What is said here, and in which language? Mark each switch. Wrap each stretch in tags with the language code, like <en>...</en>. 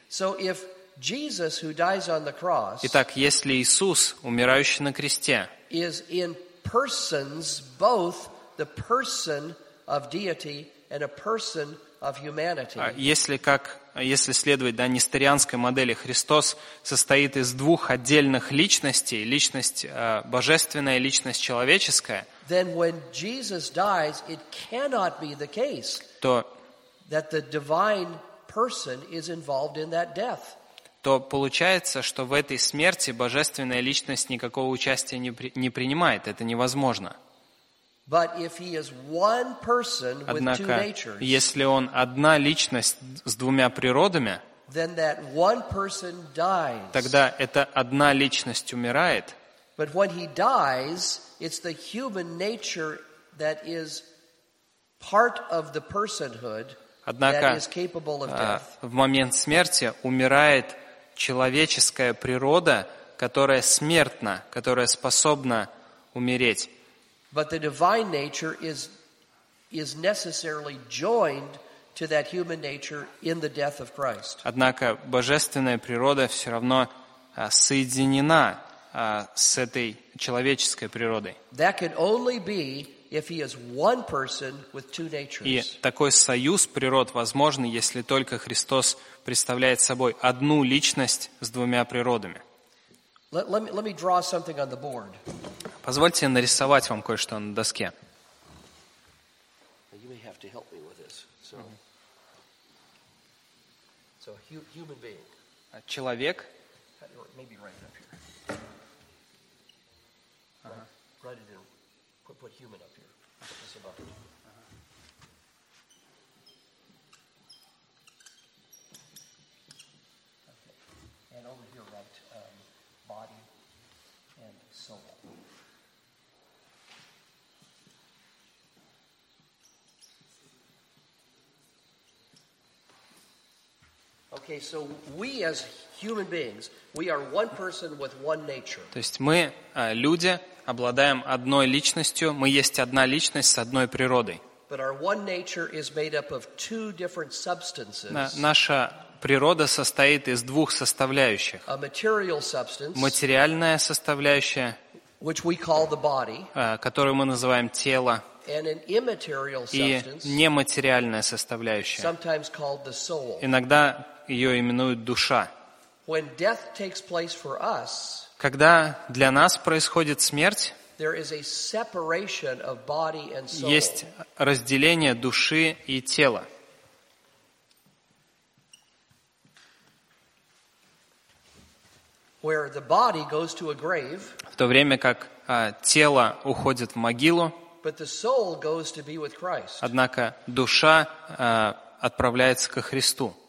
<en>So if Jesus, who dies on the cross,</en> <ru>Итак, если Иисус, умирающий на кресте,</ru> <en>is in persons both the person of deity and a person of humanity.</en> <ru>Если следовать, да, несторианской модели, Христос состоит из двух отдельных личностей, личность божественная, личность человеческая.</ru> <en>Then when Jesus dies, it cannot be the case that the divine person is involved in that death.</en> <ru>То получается, что в этой смерти божественная личность никакого участия не принимает. Это невозможно.</ru> <en>But if he is one person with</en> <ru>Однако,</ru> <en>two natures,</en> <ru>если он одна личность с двумя природами,</ru> <en>then that one person dies.</en> <ru>Тогда эта одна личность умирает.</ru> <en>But when he dies, it's the human nature that is part of the personhood</en> <ru>Однако,</ru> <en>that is capable of death.</en> <ru>В момент смерти умирает человеческая природа, которая смертна, которая способна умереть.</ru> <en>But the divine nature is necessarily joined to that human nature in the death of Christ.</en> <ru>Однако божественная природа все равно соединена с этой человеческой природой.</ru> <en>That could only be if he is one person with two natures.</en> <ru>И такой союз природ возможен, если только Христос представляет собой одну личность с двумя природами.</ru> <en>Let me draw something on the board.</en> <ru>Позвольте нарисовать вам кое-что на доске.</ru> <en>You may have to help me with this. So, so human being.</en> <ru>Человек.</ru> <en>Maybe write it up here. Write it in. Put human up here. That's about it. Okay. And over here, write body and soul. Okay, so we as human beings, we are one person with one nature.</en> <ru>То есть мы, люди, обладаем одной личностью, мы есть одна личность с одной природой.</ru> <en>But our one nature is made up of two different substances.</en> <ru>Наша природа состоит из двух составляющих.</ru> <en>A material substance,</en> <ru>материальная составляющая,</ru> <en>which we call the body,</en> <ru>которую мы называем тело,</ru> <en>and an immaterial substance,</en> <ru>и нематериальная составляющая,</ru> <en>sometimes called the soul.</en> <ru>Иногда ее именуют душа.</ru> <en>When death takes place for us,</en> <ru>когда для нас происходит смерть,</ru> <en>there is a separation of body and soul.</en> <ru>Есть разделение души и тела.</ru> <en>Where the body goes to a grave,</en> <ru>в то время как тело уходит в могилу,</ru> <en>but the soul goes to be with Christ.</en> <ru>Однако душа отправляется ко Христу.</ru>